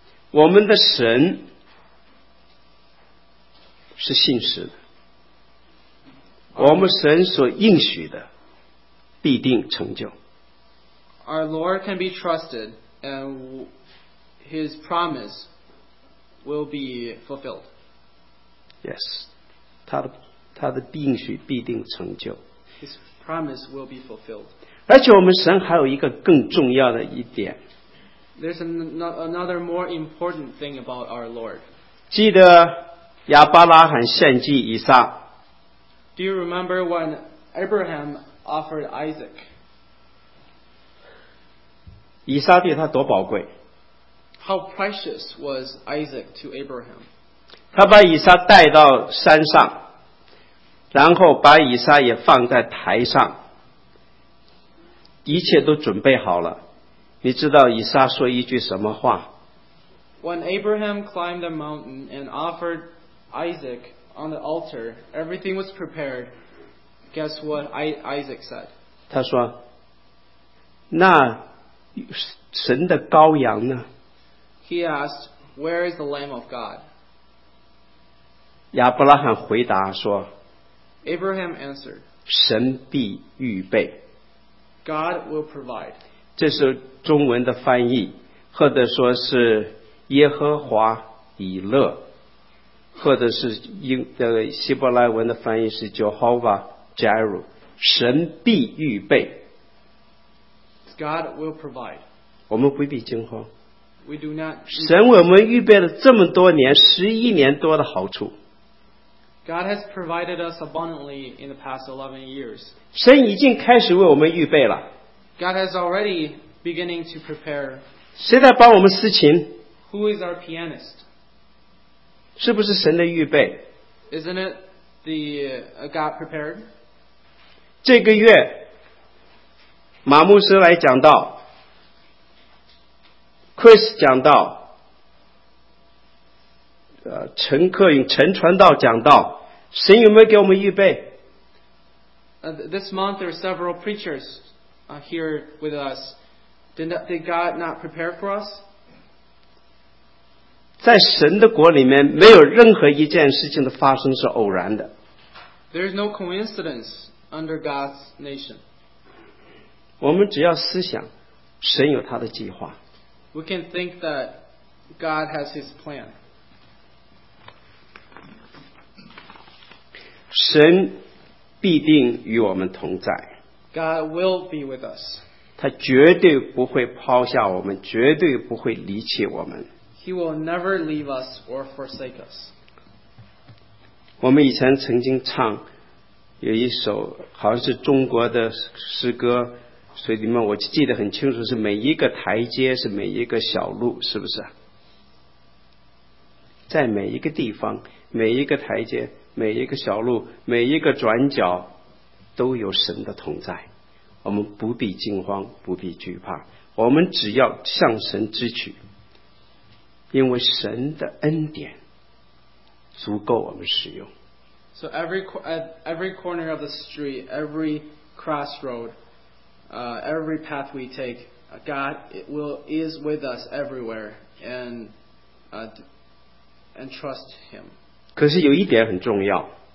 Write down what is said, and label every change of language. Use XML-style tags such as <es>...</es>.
<zh>我们的神是信实的，我们神所应许的必定成就。</zh> <en>Our Lord can be trusted, and His promise will be fulfilled.</en> <zh>Yes, 他的应许必定成就。</zh> <en>His promise will be fulfilled.</en> <zh>而且我们神还有一个更重要的一点。</zh> <en>There's another more important thing about our Lord.</en> <zh>记得亚伯拉罕献祭以撒。</zh> <en>Do you remember when Abraham offered Isaac?</en> <zh>以撒对他多宝贵。</zh> <en>How precious was Isaac to Abraham?</en> <zh>他把以撒带到山上，然后把以撒也放在台上。一切都准备好了，你知道以撒说一句什么话？</zh> <en>When Abraham climbed the mountain and offered Isaac on the altar, everything was prepared. Guess what Isaac said?</en> <zh>他说，那神的羔羊呢？</zh> <en>He asked, where is the Lamb of God?</en> <zh>亚伯拉罕回答说，</zh> <en>Abraham answered,</en> <zh>神必预备。</zh> <en>God will provide.</en> <zh>这是中文的翻译，或者说是耶和华以勒，或者是希伯来文的翻译是 Jehovah Jireh， 神必预备。</zh> <en>God will provide.</en> <zh>我们不必惊慌。</zh> <en>We do not.</en> <zh>神为我们预备了这么多年，11年多的好处。</zh> <en>God has provided us abundantly in the past 11 years.</en> <zh>神已经开始为我们预备了。</zh> <en>God has already beginning to prepare.</en> <zh>谁在帮我们司琴？</zh> <en>Who is our pianist?</en> <zh>是不是神的预备？</zh> <en>Isn't it the God prepared?</en> <zh>这个月马牧师来讲道， Chris 讲道，陈克勇陈传道讲道，神有没有给我们预备？</zh> <en>This month there are several preachers here with us. Did God not prepare for us?</en> <zh>在神的国里面，没有任何一件事情的发生是偶然的。</zh> <en>There is no coincidence under God's nation.</en> <zh>我们只要思想，神有他的计划。</zh> <en>We can think that God has His plan.</en> <zh>神必定与我们同在。</zh> <en>God will be with us.</en> <zh>他绝对不会抛下我们，绝对不会离弃我们。</zh> <en>He will never leave us or forsake us.</en> <zh>我们以前曾经唱有一首好像是中国的诗歌，所以你们我记得很清楚，是每一个台阶，是每一个小路，是不是？在每一个地方，每一个台阶，每一个小路，每一个转角，都有神的同在。我们不必惊慌，不必惧怕，我们只要向神支取，因为神的恩典足够我们使用。</zh> <en>So every corner of the street, every crossroad, every path we take, God is with us everywhere, and trust Him.</en> <zh>可是有一点很重要。</zh>